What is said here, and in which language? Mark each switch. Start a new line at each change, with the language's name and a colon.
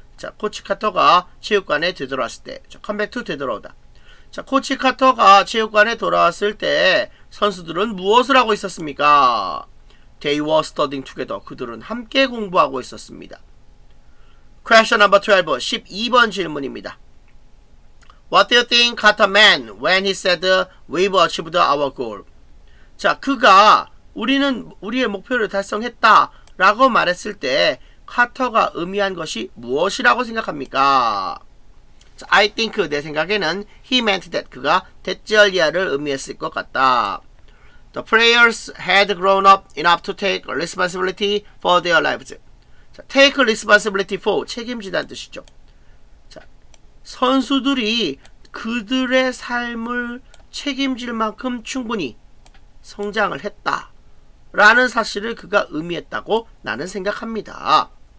Korean: 자, 코치 카터가 체육관에 되돌아왔을 때. 자, come back to 되돌아오다. 자, 코치 카터가 체육관에 돌아왔을 때 선수들은 무엇을 하고 있었습니까?
English: They were studying together.
Korean: 그들은 함께 공부하고 있었습니다.
English: Question number 12.
Korean: 12번 질문입니다.
English: What do you think Carter meant when he said we've achieved our goal?
Korean: 자, 그가 우리는 우리의 목표를 달성했다 라고 말했을 때 카터가 의미한 것이 무엇이라고 생각합니까? 자,
English: I think
Korean: 내 생각에는
English: he meant that
Korean: 그가 대절리아를 의미했을 것 같다.
English: The players had grown up enough to take responsibility for their lives.
Korean: 자,
English: take responsibility for
Korean: 책임지다는 뜻이죠. 자, 선수들이 그들의 삶을 책임질 만큼 충분히 성장을 했다 라는 사실을 그가 의미했다고 나는 생각합니다.